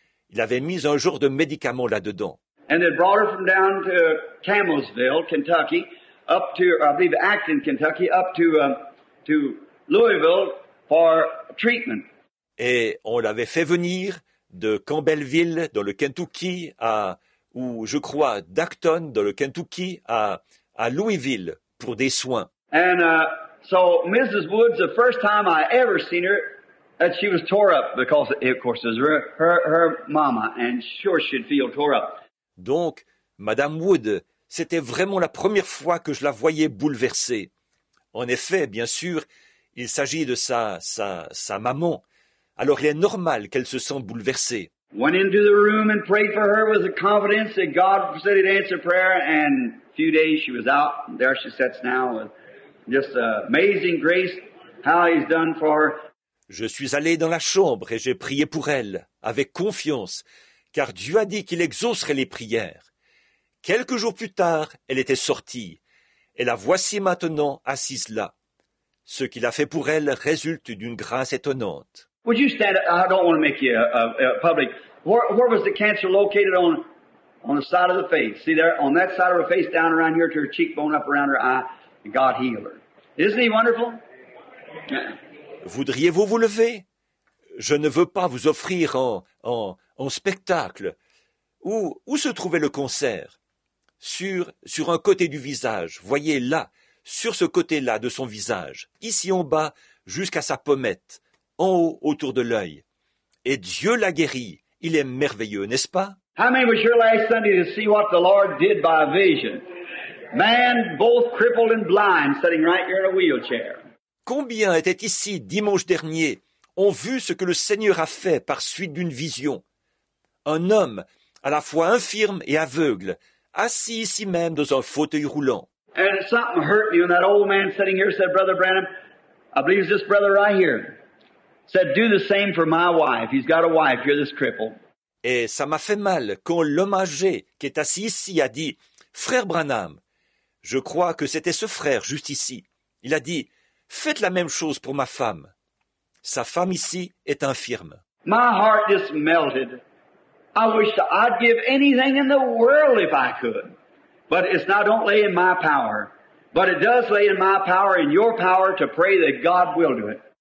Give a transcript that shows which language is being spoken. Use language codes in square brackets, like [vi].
[fr] Il avait mis un jour de médicament là-dedans. [en] And they brought her from down to Campbellsville, Kentucky, up to, I believe, Acton, Kentucky, up to Louisville for treatment. [fr] Et on l'avait fait venir de Campbellsville, dans le Kentucky, à, ou je crois, d'Acton, dans le Kentucky, à Louisville, pour des soins. [en] And so Mrs. Woods, the first time I ever seen her, that she was tore up, because, of course, it was her mama, and sure she'd feel tore up. [fr] Donc, Madame Wood, c'était vraiment la première fois que je la voyais bouleversée. En effet, bien sûr, il s'agit de sa maman. Alors, il est normal qu'elle se sente bouleversée. [en] Went into the room and prayed for her with the confidence that God said he'd answer prayer. And a few days she was out. And there she sits now with just amazing grace how he's done for her. [fr] Je suis allé dans la chambre et j'ai prié pour elle avec confiance. Car Dieu a dit qu'il exaucerait les prières. Quelques jours plus tard, elle était sortie, et la voici maintenant assise là. Ce qu'il a fait pour elle résulte d'une grâce étonnante. [en] Would you stand up? I don't want to make you public. Where was the cancer located on the side of the face? See there, on that side of her face, down around here to her cheekbone, up around her eye, and God healed her. Isn't he wonderful? [fr] Voudriez-vous vous lever? Je ne veux pas vous offrir en spectacle. Où se trouvait le cancer? Sur un côté du visage, voyez là, sur ce côté-là de son visage, ici en bas, jusqu'à sa pommette, en haut, autour de l'œil. Et Dieu l'a guéri. Il est merveilleux, n'est-ce pas? [en] How many was your last Sunday to see what the Lord did by a vision? Man, both crippled and blind, sitting right here in a wheelchair. [fr] Combien étaient ici dimanche dernier? Ont vu ce que le Seigneur a fait par suite d'une vision. Un homme, à la fois infirme et aveugle, assis ici même dans un fauteuil roulant. [en] And something hurt me when that old man sitting here said, Brother Branham, I believe it's this brother right here, said, do the same for my wife. He's got a wife, you're this cripple. [fr] Et ça m'a fait mal quand l'homme âgé qui est assis ici a dit, Frère Branham, je crois que c'était ce frère juste ici. Il a dit, faites la même chose pour ma femme. Sa femme ici est infirme. [en] My heart just melted. I wish I'd give anything in the world if I could. But it's not don't lay in my power. But it does lay in my power, in your power, to pray that God will do it.